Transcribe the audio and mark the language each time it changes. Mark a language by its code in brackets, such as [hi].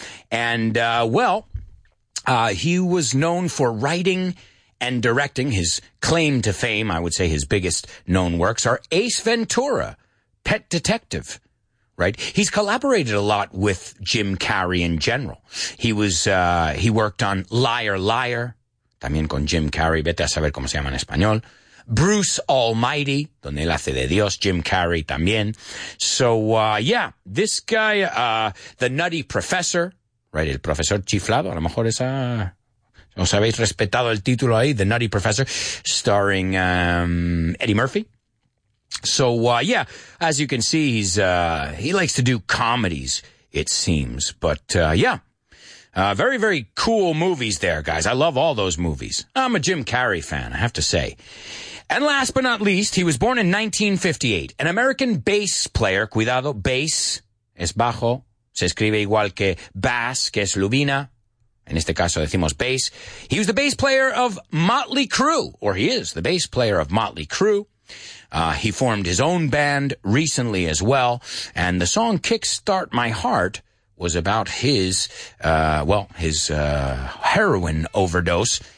[en] And, he was known for writing and directing. His claim to fame, I would say his biggest known works, are Ace Ventura, Pet Detective, right? He's collaborated a lot with Jim Carrey in general. He worked on [es] Liar Liar, también con Jim Carrey, vete a saber cómo se llama en español. Bruce Almighty, donde él hace de Dios, Jim Carrey también. [en] So, this guy, [es] the Nutty Professor, right, el profesor chiflado, a lo mejor esa, os habéis respetado el título ahí, the Nutty Professor, [en] starring Eddie Murphy. So, as you can see, he likes to do comedies, it seems, but very, very cool movies there, guys. I love all those movies. I'm a Jim Carrey fan, I have to say. And last but not least, he was born in 1958, an American bass player. [es] Cuidado, bass es bajo, se escribe igual que bass, que es lubina. En este caso decimos bass. [en] He was the bass player of Motley Crue, or he is the bass player of Motley Crue. He formed his own band recently as well, and the song Kickstart My Heart was about his heroin overdose.